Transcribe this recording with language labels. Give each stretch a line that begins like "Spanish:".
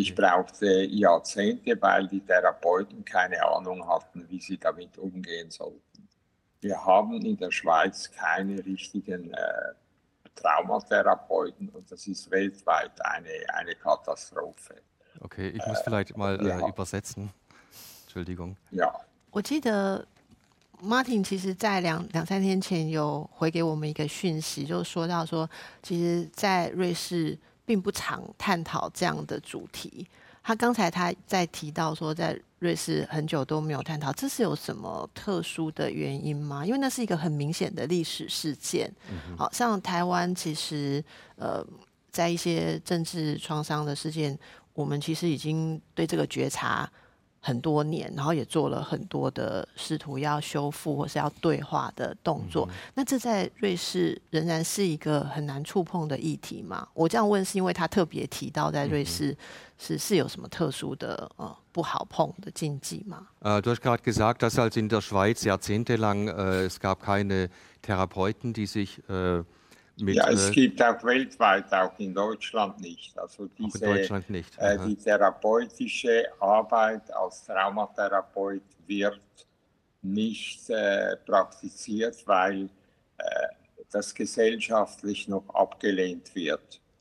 German: Ich brauchte Jahrzehnte, weil die Therapeuten keine Ahnung hatten, wie sie damit umgehen sollten. Wir haben in der Schweiz keine richtigen Traumatherapeuten und das ist weltweit eine Katastrophe. Okay, ich muss vielleicht mal übersetzen. Entschuldigung. Ja.
Chinese: 我记得 Martin 其实在两三天前有回给我们一个讯息，就说到说，其实，在瑞士并不常探讨这样的主题。他刚才他在提到说，在瑞士很久都没有探讨，这是有什么特殊的原因吗？因为那是一个很明显的历史事件。嗯、好像台湾其实在一些政治创伤的事件，我们其实已经对这个觉察很多年，然后也做了很多的试图要修复或是要对话的动作、嗯、那这在瑞士仍然是一个很难触碰的议题吗？我这样问是因为他特别提到在瑞士 是有什么特殊的不好碰的禁忌吗？
German: Du hast gerade gesagt, dass als in der Schweiz jahrzehntelang es gab keine Therapeuten, die sich Ja, es gibt auch weltweit, auch in Deutschland nicht. Also diese, auch in Deutschland nicht. Die therapeutische Arbeit als Traumatherapeut wird nicht praktiziert, weil das gesellschaftlich noch abgelehnt wird.